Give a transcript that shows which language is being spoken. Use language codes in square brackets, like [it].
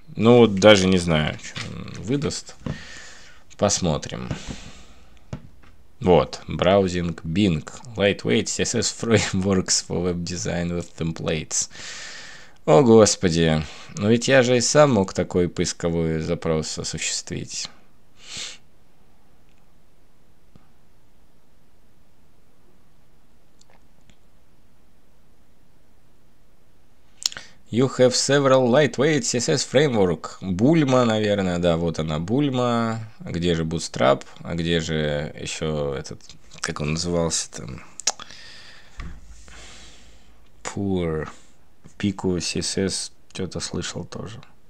[ru] Ну, вот даже не знаю, что он выдаст. Посмотрим. [en] Вот, browsing Bing. Lightweight CSS frameworks for web design with templates. [ru] О, господи. Ну, ведь я же и сам мог такой поисковой запрос осуществить. [en] You have several lightweight CSS framework. [ru] Bulma, наверное, да, вот она, Bulma. А где же Bootstrap? А где же еще этот, как он назывался там? Poor... Пику CSS что-то слышал тоже.